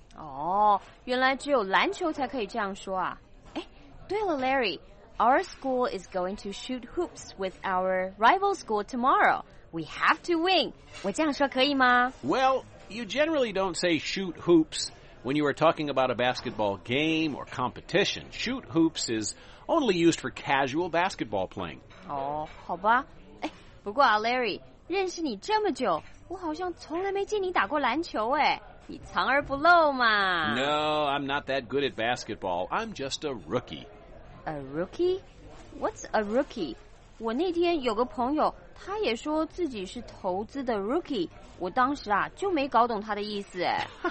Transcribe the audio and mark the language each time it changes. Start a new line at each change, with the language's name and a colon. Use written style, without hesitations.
Chinese: 哦，原来只有篮球才可以这样说啊。哎，对了
English: Larry, our school is going to shoot hoops with our rival school tomorrow. We have to win.
Chinese: 我这样说可以吗？
English: Well, you generally don't say shoot hoops. When you are talking about a basketball game or competition, shoot hoops is only used for casual basketball playing.
Chinese: Oh, 好吧。哎，不过啊 ，Larry， 认识你这么久，我好像从来没见你打过篮球哎。你藏而不露嘛。
English: No, I'm not that good at basketball. I'm just a rookie. A rookie? What's a rookie?
Chinese: 我那天有个朋友，他也说自己是投资的 rookie， 我当时啊就没搞懂他的意思哎。